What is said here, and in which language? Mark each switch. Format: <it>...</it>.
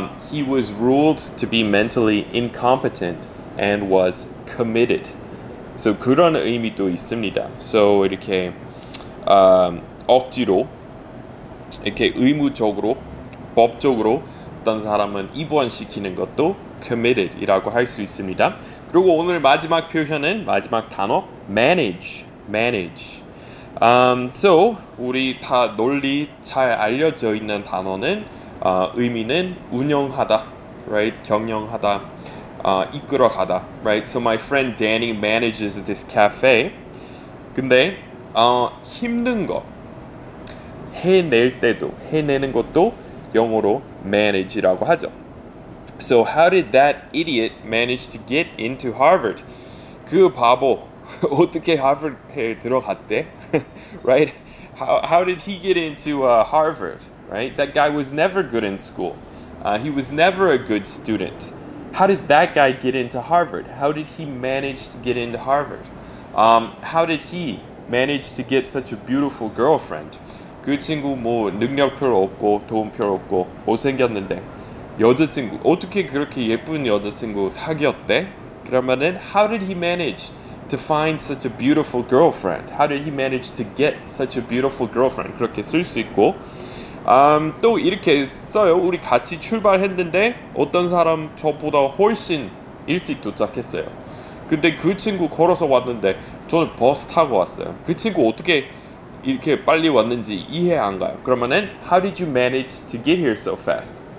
<en>He was ruled to be mentally incompetent and was committed.</en> <ko>So 그런 의미도 있습니다. So 이렇게 억지로 이렇게 의무적으로 법적으로 어떤 사람은 입원시키는 것도 committed이라고 할 수 있습니다. 그리고 오늘 마지막 표현은 마지막 단어 manage, manage. So 우리 다 논리 잘 알려져 있는 단어는 의미는 운영하다, right? 경영하다, 이끌어가다,</ko> <en>right? So my friend Danny manages this cafe.</en> <ko>근데 힘든 거 해낼 때도 해내는 것도 영어로 manage라고 하죠.</ko> <en>So how did that idiot manage to get into Harvard?</en> <ko>그 바보 어떻게 하버드에 들어갔대?</ko> <en>Right? How did he get into Harvard? Right? That guy was never good in school. He was never a good student. How did that guy get into Harvard? How did he manage to get into Harvard? How did he manage to get such a beautiful girlfriend?</en> <ko>그 친구 뭐 능력 별로 없고 돈 별로 없고 못생겼는데 여자친구 어떻게 그렇게 예쁜 여자친구 사귀었대?</ko> <en>그러면은 How did he manage to find such a beautiful girlfriend? How did he manage to get such a beautiful girlfriend?</en> <ko>그렇게 쓸 수 있고 또 이렇게 써요. 우리 같이 출발했는데 어떤 사람 저보다 훨씬 일찍 도착했어요. 근데 그 친구 걸어서 왔는데 저는 버스 타고 왔어요. 그 친구 어떻게 이렇게 빨리 왔는지 이해 안 가요.</ko> <en>그러면은 How did you manage to get here so fast?</en>